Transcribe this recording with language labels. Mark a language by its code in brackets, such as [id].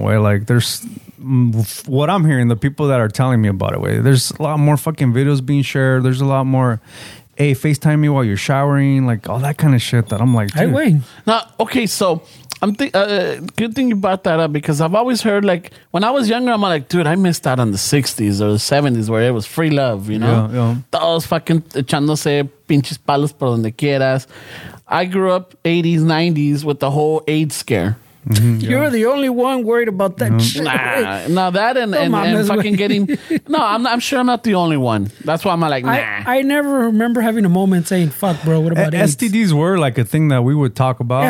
[en] Where like there's what I'm hearing, the people that are telling me about it, where there's a lot more fucking videos being shared. There's a lot more, hey, FaceTime me while you're showering, like all that kind of shit that I'm like, dude. I wait. Now, okay, so. Good thing you brought that up, because I've always heard, like, when I was younger, I'm like, dude, I missed out on the 60s or the 70s where it was free love, you know? Yeah, yeah. [es] Todos [en] fucking [es] echándose pinches palos por donde quieras. [en] I grew up 80s, 90s with the whole AIDS scare. Mm-hmm, yeah. You're the only one worried about that shit. Nah, that and fucking getting. No, I'm sure I'm not the only one. That's why I'm like, nah. I never remember having a moment saying, fuck, bro, what about AIDS? STDs were like a thing that we would talk about.